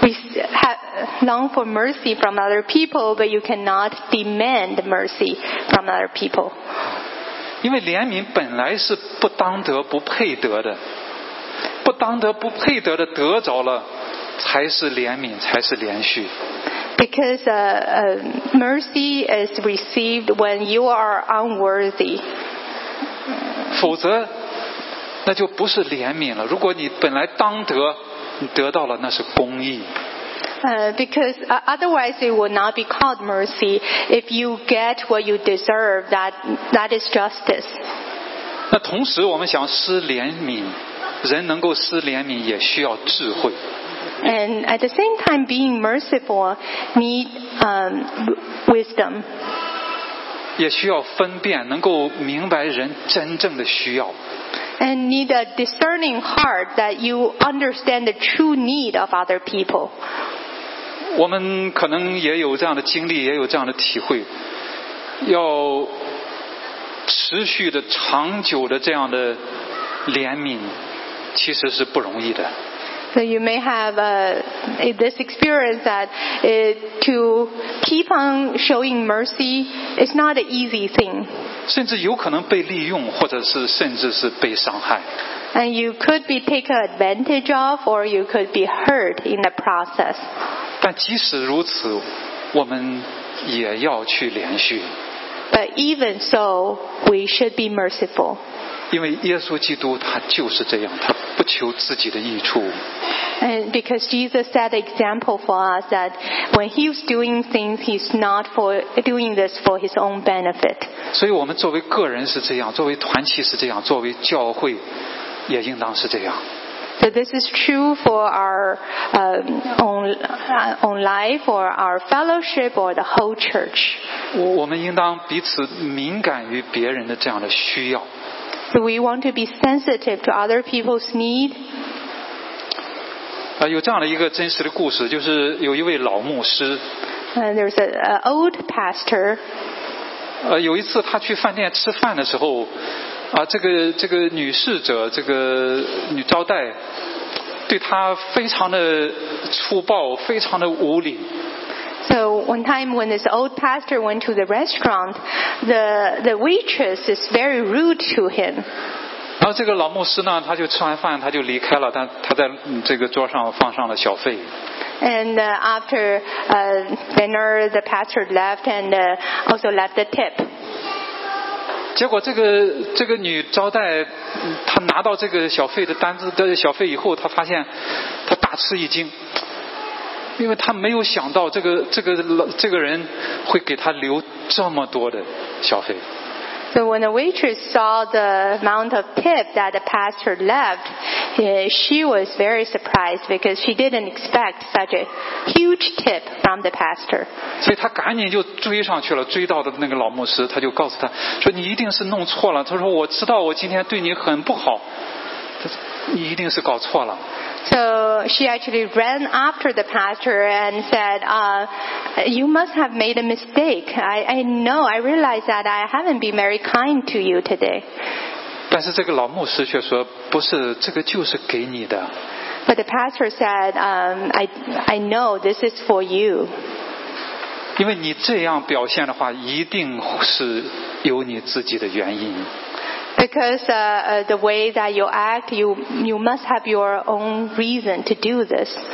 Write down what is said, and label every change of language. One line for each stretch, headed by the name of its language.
English: you can long for mercy from other people, but you cannot demand mercy from other people.
Chinese: 因为怜悯本来是不当得不配得的，不当得不配得的得着了，才是怜悯，才是连续。
English: Because mercy is received when you are unworthy.
Chinese: 否则，那就不是怜悯了。如果你本来当得，你得到了，那是公义。
English: Because otherwise it would not be called mercy. If you get what you deserve, that is justice.
Chinese: 那同时，我们想施怜悯，人能够施怜悯，也需要智慧。
English: And at the same time, being merciful need wisdom.
Chinese: 也需要分辨，能够明白人真正的需要。
English: And need a discerning heart that you understand the true need of other people.
Chinese: 我们可能也有这样的经历，也有这样的体会，要持续的、长久的这样的怜悯，其实是不容易的。
English: So you may have this experience that to keep on showing mercy is not an easy thing.
Chinese: 甚至有可能被利用，或者是甚至是被伤害。
English: And you could be taken advantage of, or you could be hurt in the process.
Chinese: 但即使如此，我们也要去连续。
English: But even so, we should be merciful.
Chinese: 因为耶稣基督他就是这样，他不求自己的益处。
English: And because Jesus set an example for us that when he was doing things, he's not for doing this for his own benefit.
Chinese: 所以我们作为个人是这样，作为团契是这样，作为教会也应当是这样。
English: So this is true for our own life or our fellowship or the whole church.
Chinese: 我们应当彼此敏感于别人的这样的需要。
English: So we want to be sensitive to other people's need.
Chinese: 有这样的一个真实的故事，就是有一位老牧师。
English: And there's an old pastor.
Chinese: 有一次他去饭店吃饭的时候，这个女侍者，这个女招待，对他非常的粗暴，非常的无礼。
English: So one time when this old pastor went to the restaurant, the waitress is very rude to him.
Chinese: 然后这个老牧师呢，他就吃完饭他就离开了，但他在这个桌上放上了小费。
English: And after dinner, the pastor left and also left the tip.
Chinese: 结果这个女招待，她拿到这个小费的单子的小费以后，她发现她大吃一惊。因为他没有想到这个人会给他留这么多的小费。
English: So when the waitress saw the amount of tip that the pastor left, she was very surprised because she didn't expect such a huge tip from the pastor.
Chinese: 所以他赶紧就追上去了，追到的那个老牧师，他就告诉他说：“你一定是弄错了。”他说：“我知道我今天对你很不好。” 你一定是搞错了。
English: So she actually ran after the pastor and said, you must have made a mistake. I know, I realize that I haven't been very kind to you today.
Chinese: 但是这个老牧师却说，不是，这个就是给你的。
English: But the pastor said, I know this is for you.
Chinese: 因为你这样表现的话，一定是有你自己的原因。
English: Because the way that you act, you must have your own reason to do this.